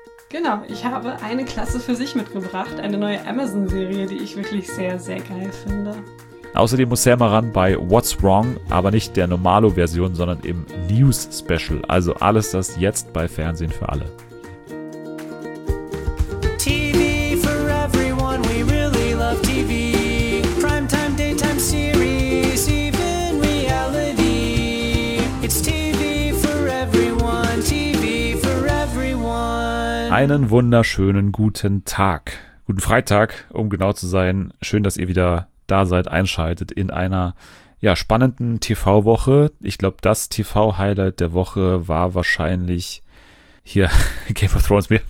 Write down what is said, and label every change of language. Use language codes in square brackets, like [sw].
[de] Genau, ich habe eine Klasse für sich mitgebracht, eine neue Amazon-Serie, die ich wirklich sehr, sehr geil finde. Außerdem muss Selma ran bei What's Wrong, aber nicht der Normalo-Version, sondern im News-Special. Also alles das jetzt bei Fernsehen für alle. [en] TV for everyone, we really love TV. Primetime, daytime series, even reality. It's TV for everyone, TV for everyone. [de] Einen wunderschönen guten Tag. Guten Freitag, um genau zu sein. Schön, dass ihr wieder da seid, einschaltet in einer ja spannenden TV-Woche. Ich glaube, das TV-Highlight der Woche war wahrscheinlich hier Game of Thrones.